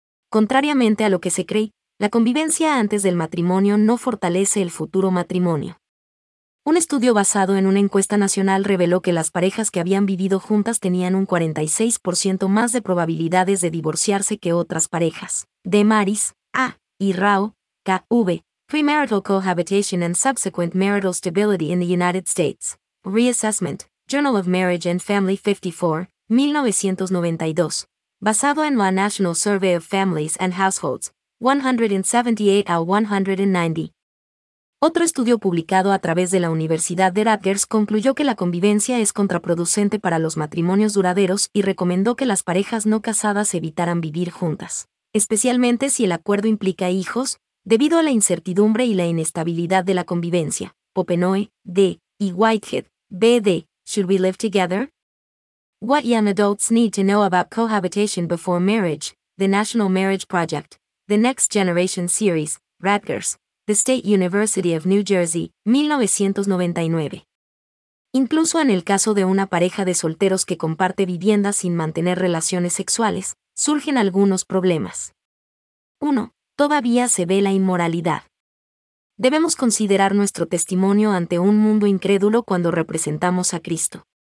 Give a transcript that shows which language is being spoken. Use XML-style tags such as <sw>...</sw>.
<es>Contrariamente a lo que se cree, la convivencia antes del matrimonio no fortalece el futuro matrimonio. Un estudio basado en una encuesta nacional reveló que las parejas que habían vivido juntas tenían un 46% más de probabilidades de divorciarse que otras parejas. De Maris, A. y Rao, K. V.</es> <en>Premarital Cohabitation and Subsequent Marital Stability in the United States. Reassessment, Journal of Marriage and Family 54, 1992.</en> <es>Basado en la National Survey of Families and Households, 178-190. Otro estudio publicado a través de la Universidad de Rutgers concluyó que la convivencia es contraproducente para los matrimonios duraderos y recomendó que las parejas no casadas evitaran vivir juntas, especialmente si el acuerdo implica hijos, debido a la incertidumbre y la inestabilidad de la convivencia.</es> <en>Popenoe, D. y Whitehead, B. D. Should we live together? What young adults need to know about cohabitation before marriage, The National Marriage Project, The Next Generation Series, Rutgers. The State University of New Jersey, 1999.</en> <es>Incluso en el caso de una pareja de solteros que comparte vivienda sin mantener relaciones sexuales, surgen algunos problemas. 1. Todavía se ve la inmoralidad. Debemos considerar nuestro testimonio ante un mundo incrédulo cuando representamos a Cristo.</es>